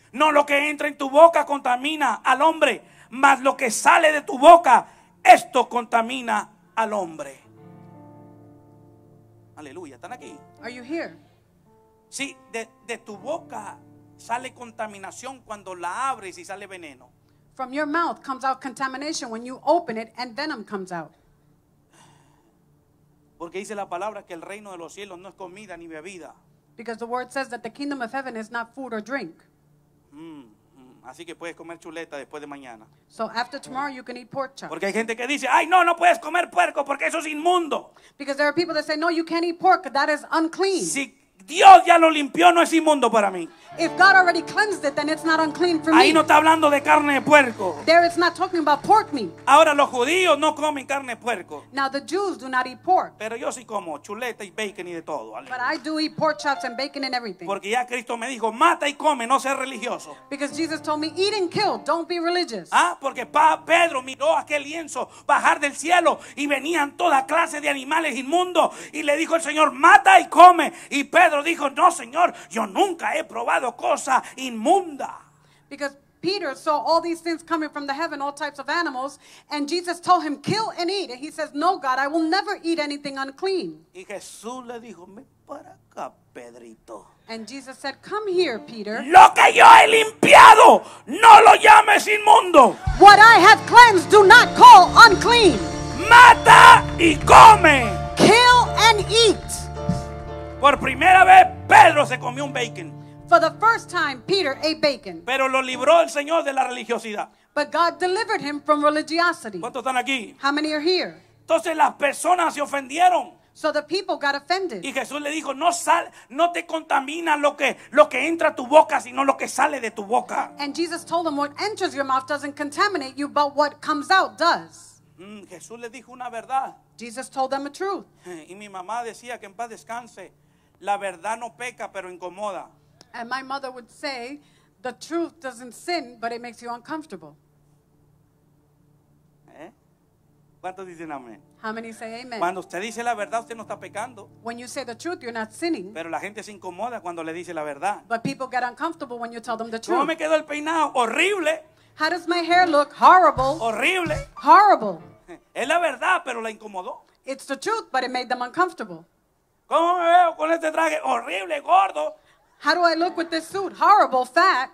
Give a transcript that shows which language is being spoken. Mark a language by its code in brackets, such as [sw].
[es] No, lo que entra en tu boca contamina al hombre, mas lo que sale de tu boca, esto contamina al hombre. Aleluya, están aquí. [en] Are you here? [es] Sí, de tu boca sale contaminación cuando la abres y sale veneno. [en] From your mouth comes out contamination when you open it and venom comes out. [es] Porque dice la palabra que el reino de los cielos no es comida ni bebida. [en] Because the word says that the kingdom of heaven is not food or drink. [es] Así que puedes comer chuleta después de mañana. [en] So after tomorrow you can eat pork chop. [es] Porque hay gente que dice, ay no, no puedes comer puerco porque eso es inmundo. [en] Because there are people that say, no, you can't eat pork, that is unclean. [es] Si Dios ya lo limpió, no es inmundo para mí. [en] If God already cleansed it, then it's not unclean for me. [es] Ahí no está hablando de carne de puerco. [en] There it's not talking about pork meat. [es] Ahora los judíos no comen carne de puerco. [en] Now the Jews do not eat pork. [es] Pero yo sí como chuleta y bacon y de todo. [en] But I do eat pork chops and bacon and everything. [es] Porque ya Cristo me dijo, mata y come, no seas religioso. [en] Because Jesus told me, eat and kill, don't be religious. [es] Ah, porque Pedro miró aquel lienzo bajar del cielo y venían toda clase de animales inmundos y le dijo el Señor, mata y come. Y Pedro dijo, no, Señor, yo nunca he probado cosa inmunda. [en] Because Peter saw all these things coming from the heaven, all types of animals, and Jesus told him, kill and eat. And he says, no, God, I will never eat anything unclean. [es] Y Jesús le dijo, ven para acá, Pedrito. [en] And Jesus said, come here, Peter. [es] Lo que yo he limpiado, no lo llames inmundo. [en] What I have cleansed, do not call unclean. [es] Mata y come. [en] Kill and eat. [es] Por primera vez, Pedro se comió un bacon. [en] For the first time, Peter ate bacon. [es] Pero lo libró el Señor de la religiosidad. [en] But God delivered him from religiosity. [es] ¿Cuántos están aquí? [en] How many are here? [es] Entonces las personas se ofendieron. [en] So the people got offended. [es] Y Jesús le dijo, no sal, no te contamina lo que entra a tu boca, sino lo que sale de tu boca. [en] And Jesus told them, what enters your mouth doesn't contaminate you, but what comes out does. [es] Jesús le dijo una verdad. [en] Jesus told them a truth. [es] Y mi mamá decía que en paz descanse, la verdad no peca, pero incomoda. [en] And my mother would say, the truth doesn't sin, but it makes you uncomfortable. [es] ¿Eh? ¿Cuántos dicen amén? [en] How many say amen? [es] Cuando usted dice la verdad, usted no está pecando. [en] When you say the truth, you're not sinning. [es] Pero la gente se incomoda cuando le dice la verdad. [en] But people get uncomfortable when you tell them the truth. [es] ¿Cómo me quedó el peinado? Horrible. [en] How does my hair look? Horrible. [es] Horrible. [en] Horrible. [es] Es la verdad, pero la incomodó. [en] It's the truth, but it made them uncomfortable. [es] ¿Cómo me veo con este traje? Horrible, gordo. [en] How do I look with this suit? Horrible, fat.